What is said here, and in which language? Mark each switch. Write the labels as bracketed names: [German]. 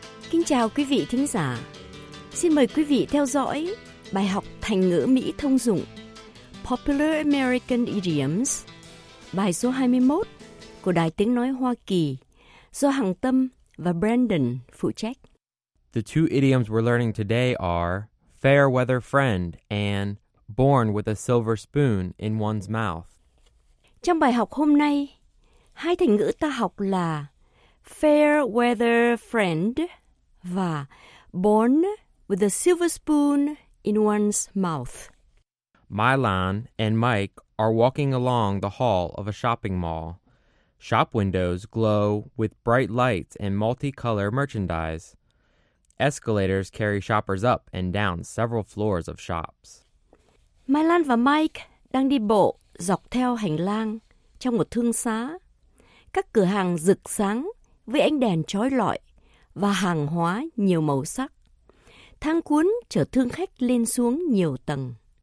[Vietnamese] Kính chào quý vị thính giả. Xin mời quý vị theo dõi bài học thành ngữ Mỹ thông dụng Popular American Idioms, bài số 21 của Đài Tiếng Nói Hoa Kỳ, do Hằng Tâm và Brandon phụ trách. [English] The two idioms we're learning today are fair weather friend and born with a silver spoon in one's mouth. [Vietnamese] Trong bài học hôm nay, hai thành ngữ ta học là fair weather friend và born with a silver spoon in one's mouth. [English] Mylan and Mike are walking along the hall of a shopping mall. Shop windows glow with bright lights and multicolor merchandise. Escalators carry shoppers up and down several floors of shops. [Vietnamese] Mylan và Mike đang đi bộ dọc theo hành lang trong một thương xá. Các cửa hàng rực sáng với ánh đèn chói lọi và hàng hóa nhiều màu sắc. Thang cuốn chở thương khách lên xuống nhiều tầng.